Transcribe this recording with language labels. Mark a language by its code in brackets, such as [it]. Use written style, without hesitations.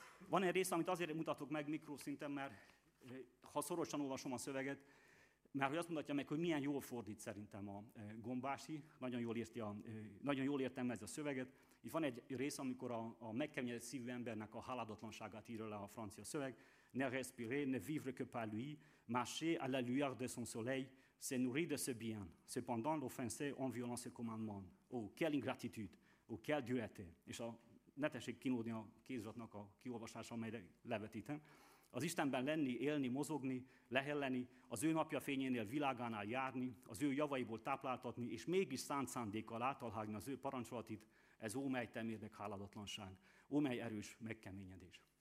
[hu] Van egy rész, amit azért mutatok meg mikroszinten, mert ha szorosan olvasom a szöveget, mert hogy azt mondhatja meg, hogy milyen jól fordít szerintem a Gombási, nagyon jól értelmezi a szöveget. Itt van egy rész, amikor a megkeményedett szívű embernek a haladatlanságát írja le a francia szöveg. [fr] Ne respirer, ne vivre que par lui, marcher à la lueur de son soleil, se nourrir de ce bien. Cependant, l'offensé en violant ce commandement. Oh, quelle ingratitude, oh, quelle dureté. [hu] És ne tessék kínódni a kéziratnak a kiolvasása, amelyre levetítem. Az Istenben lenni, élni, mozogni, lehelleni, az ő napja fényénél világánál járni, az ő javaiból tápláltatni, és mégis szánt szándékkal átalhágni az ő parancsolatit, ez ó, mely temérdek háladatlanság, ó, mely erős megkeményedés.